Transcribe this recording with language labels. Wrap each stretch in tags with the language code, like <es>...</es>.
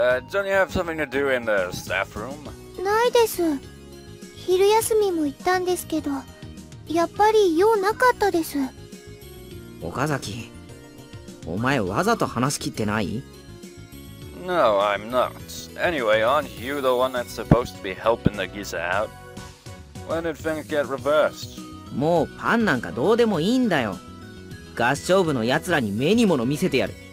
<en>Don't you have something to do in the staff room?</en> <ja>ないです. 昼休みも行ったんですけど, やっぱり用なかったです. Okazaki, お前わざと話し切ってない?</ja> <en>No, I'm not. Anyway, aren't you the one that's supposed to be helping Nagisa out? When did things get reversed?</en> <ja>もうパンなんかどうでもいいんだよ.合唱部の奴らに目にもの見せてやる.</ja>